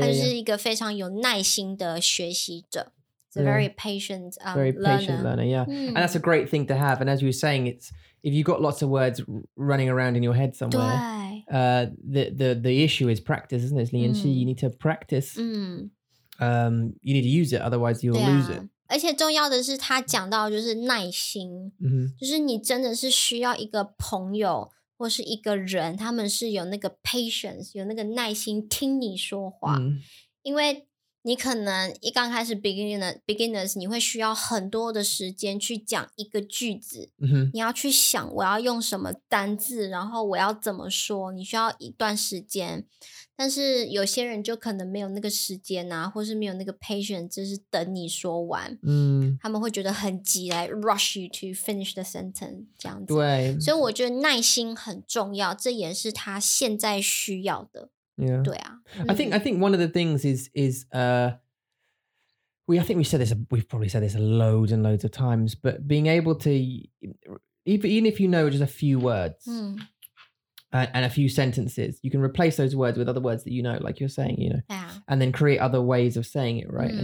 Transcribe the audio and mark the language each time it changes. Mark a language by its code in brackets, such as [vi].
[zh] 他就是一个非常有耐心的学习者。 [en] It's a very patient learner. Very patient learner, yeah. And that's a great thing to have. And as you were saying, it's if you've got lots of words running around in your head somewhere, the issue is practice, isn't it, Lian Xi? You need to practice. You need to use it, otherwise you'll lose it. [zh] 而且重要的是他讲到就是耐心，就是你真的是需要一个朋友或是一个人，他们是有那个 patience, 有那个耐心听你说话。因为你可能一刚开始 beginners 你会需要很多的时间去讲一个句子，你要去想我要用什么单字，然后我要怎么说，你需要一段时间。但是有些人就可能没有那个时间啊，或是没有那个 patience， 就是等你说完，他们会觉得很急，来 [en] rush you to finish the sentence [zh] 这样子。对，所以我觉得耐心很重要，这也是他现在需要的。 [en] Yeah. [zh] 对啊, [en] I think one of the things is we've probably said this loads and loads of times, but being able to, even if you know just a few words and a few sentences, you can replace those words with other words that you know, like you're saying, you know, and then create other ways of saying it, right?